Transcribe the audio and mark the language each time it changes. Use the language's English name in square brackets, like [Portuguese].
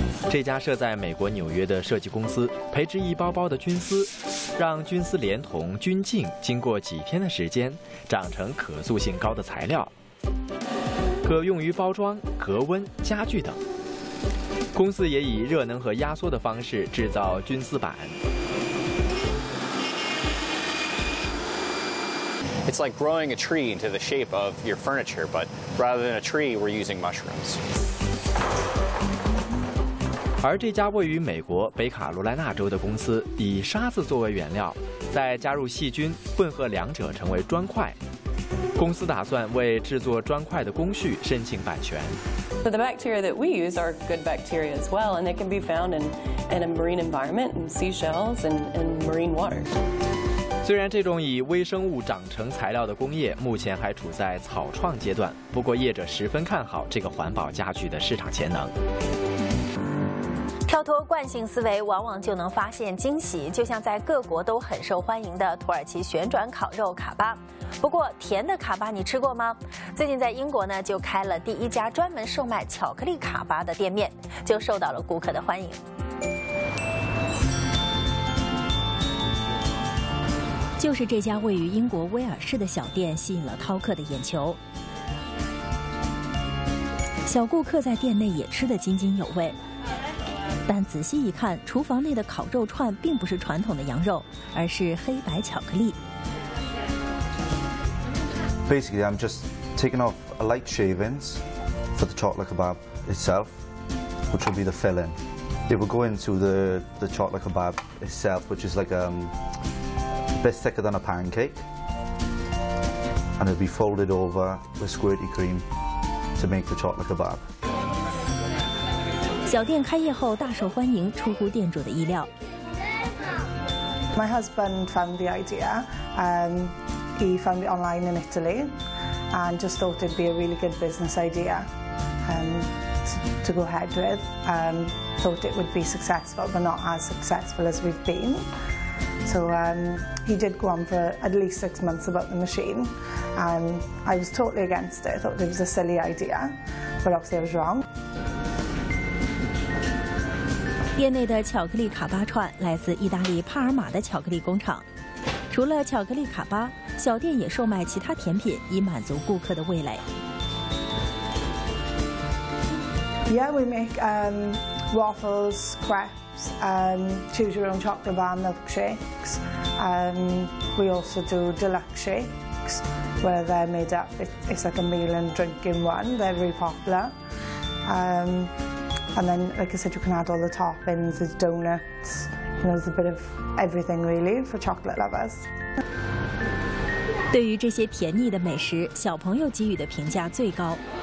[Chinese] 这家设在美国纽约的设计公司培植一包包的菌丝，让菌丝连同菌茎经过几天的时间长成可塑性高的材料，可用于包装、隔温、家具等。公司也以热能和压缩的方式制造菌丝板。 [English] It's like growing a tree into the shape of your furniture, but rather than a tree, we're using mushrooms. [Chinese] 而这家位于美国北卡罗来纳州的公司，以沙子作为原料，再加入细菌，混合两者成为砖块。公司打算为制作砖块的工序申请版权。 [English] So the bacteria that we use are good bacteria as well, and they can be found in a marine environment, in seashells and marine water. [Chinese] 虽然这种以微生物长成材料的工业目前还处在草创阶段，不过业者十分看好这个环保家具的市场潜能。跳脱惯性思维，往往就能发现惊喜，就像在各国都很受欢迎的土耳其旋转烤肉卡巴。不过甜的卡巴你吃过吗？最近在英国呢，就开了第一家专门售卖巧克力卡巴的店面，就受到了顾客的欢迎。就是这家位于英国威尔士的小店吸引了饕客的眼球，小顾客在店内也吃得津津有味。但仔细一看，厨房内的烤肉串并不是传统的羊肉，而是黑白巧克力。 [English] Basically, I'm just taking off a light shavings for the chocolate kebab itself, which will be the filling. It will go into the chocolate kebab itself, which is like a bit thicker than a pancake, and it'll be folded over with squirty cream to make the chocolate kebab. [Chinese] 小店开业后大受欢迎，出乎店主的意料。 [English] My husband found the idea, he found it online in Italy, and just thought it'd be a really good business idea, to go ahead with. Thought it would be successful, but not as successful as we've been. So he did go on for at least 6 months about the machine, and I was totally against it. I thought it was a silly idea, but obviously I was wrong. [Chinese] 店内的巧克力卡巴串来自意大利帕尔马的巧克力工厂。除了巧克力卡巴，小店也售卖其他甜品，以满足顾客的味蕾。 [English] Yeah, we make waffles, crepes, choose your own chocolate bar milkshakes. We also do deluxe shakes, where they're made up. It's like a meal and drink in one. They're very popular. And then, like I said, you can add all the toppings, there's donuts, you know, there's a bit of everything really for chocolate lovers. [Chinese] 对于这些甜腻的美食，小朋友给予的评价最高。